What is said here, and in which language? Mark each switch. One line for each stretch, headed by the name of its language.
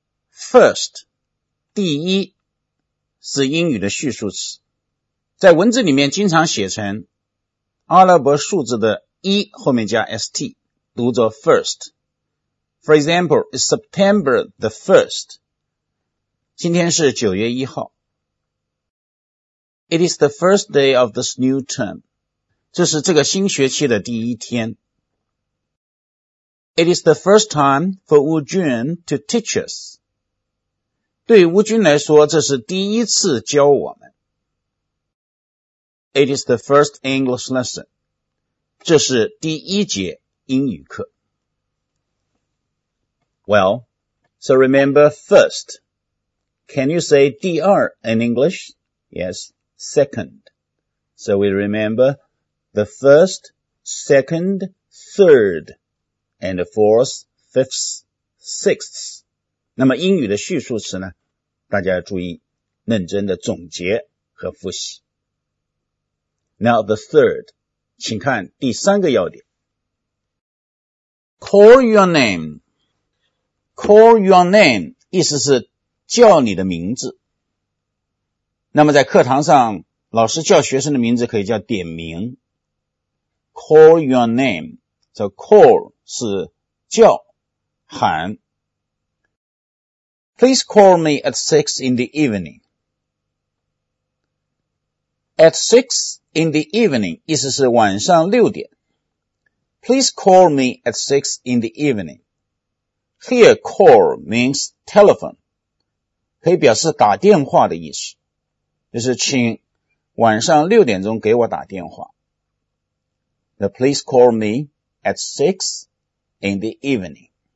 Chinese: First, 第一是英语的序数词，在文字里面经常写成阿拉伯数字的一后面加 st, 读作 first.
English: For example, it's September the 1st.
Chinese: 今天是9月1号。
English: It is the first day of this new term.
Chinese: 这是这个新学期的第一天。
English: It is the first time for Wu Jun to teach us.
Chinese: 对于吴军来说，这是第一次教我们。
English: It is the first English lesson.
Chinese: 这是第一节英语课。
English: Well, so remember first. Can you say 第二 in English? Yes, second. So we remember the first, second, third, and fourth, fifth, sixth.
Chinese: 那么英语的序数词呢？大家注意认真的总结和复习。
English: Now the third,
Chinese: 请看第三个要点。
English: Call your name. Call your name,
Chinese: 意思是叫你的名字。那么在课堂上老师叫学生的名字可以叫点名。
English: Call your name. So call
Chinese: 是叫喊。
English: Please call me at 6 in the evening. At 6 in the evening,
Chinese: 意思是晚上6点。
English: Please call me at 6 in the evening. Here, call means telephone.
Chinese: 可以表示打电话的意思。就是请晚上6点钟给我打电话。
English: Now, please call me at 6 in the evening.